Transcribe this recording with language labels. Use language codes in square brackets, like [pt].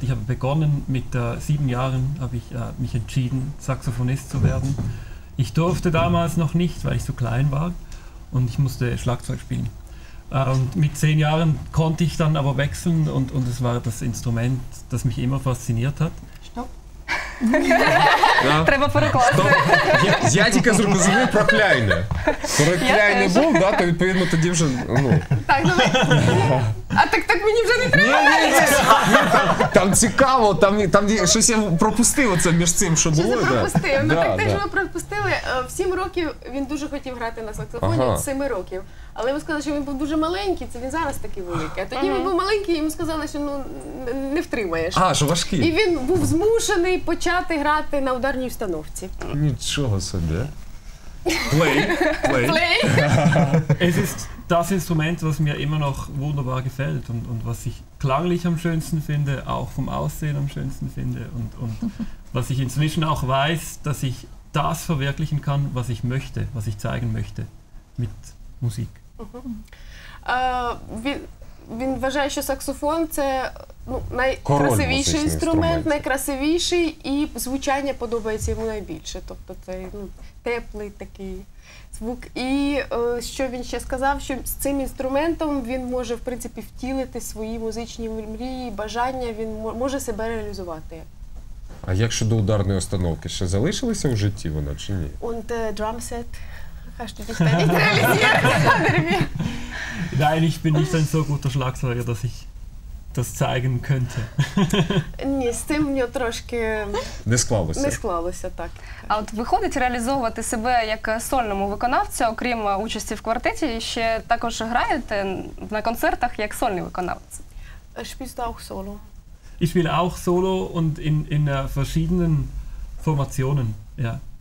[de] Ich habe begonnen mit 7 Jahren, habe ich mich entschieden, Saxophonist zu werden. Ich durfte damals noch nicht, weil ich so klein war und ich musste Schlagzeug spielen. Und mit 10 Jahren konnte ich dann aber wechseln und es war das Instrument, das mich immer fasziniert hat. [uk] Треба перекласти. Я тільки зрозумів про кляйне. Про кляйне був, да, то відповідно тоді вже, ну. А так мені вже не треба. Ні. Там цікаво, там щось я пропустив оце між цим, що було. Щось пропустив, ну так теж ми пропустили. В 7 років він дуже хотів грати на саксофоні, 7 років. Але йому сказали, що він був дуже маленький, це він зараз такий великий. А тоді він був маленький, йому сказали, що ну не втримаєш. А, що важкий. І він був змушений почати грати на ударній установці. Нічого собі. [en] Play, play. Play. [de] Es ist das Instrument, was mir immer noch wunderbar gefällt und was ich klanglich am schönsten finde, auch vom Aussehen am schönsten finde und was ich inzwischen auch weiß, dass ich das verwirklichen kann, was ich möchte, was ich zeigen möchte mit Musik. [uk] Він він вважає, що саксофон – це найкрасивіший інструмент, найкрасивіший, і звучання подобається йому найбільше. Тобто це теплий такий звук. І що він ще сказав, що з цим інструментом він може, в принципі, втілити свої музичні мрії, бажання, він може себе реалізувати. А як щодо ударної установки? Ще залишилася у житті вона чи ні? Он те драмсет. [de] Hast du dich bin nicht ein so guter Schlagzeuger, dass ich das zeigen könnte. [uk] Ні, з цим мені трошки не склалося. Не склалося так. А от виходить реалізовувати себе як сольному виконавцю, окрім участі в квартеті, ще також граєте на концертах як сольний виконавець? [de] Spielst du auch solo? Ich spiele auch solo und in verschiedenen Formationen, ja.